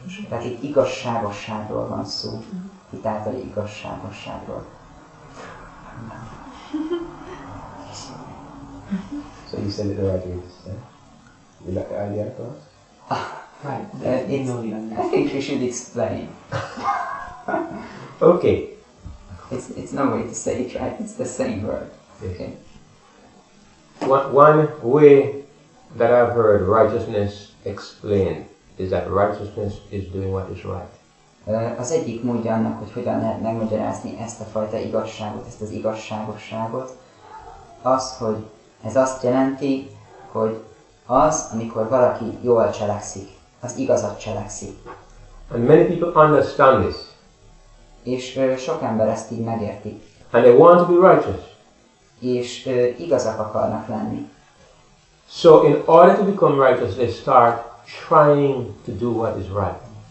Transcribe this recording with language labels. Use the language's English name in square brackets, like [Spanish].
[Hungarian] Tehát itt igazságosságról van szó, itt általi igazságosságról. [English] So you said it the right way to say. You like the idea of us? Right. I think we should explain. Okay. It's no way to say it, right? It's the same word. Yes. Okay. One way that I've heard righteousness explained is that righteousness is doing what is right. [Hungarian] Az egyik módja annak, hogy hogyan lehet megmagyarázni ezt a fajta igazságot, ezt az igazságosságot, az, hogy ez azt jelenti, hogy az, amikor valaki jól cselekszik, az igazat cselekszik. [English] And many people understand this. [Hungarian] És sok ember ezt így megérti. [English] And they want to be righteous. [Hungarian] És igazak akarnak lenni. [English] So in order to become righteous, they start trying to do what is right.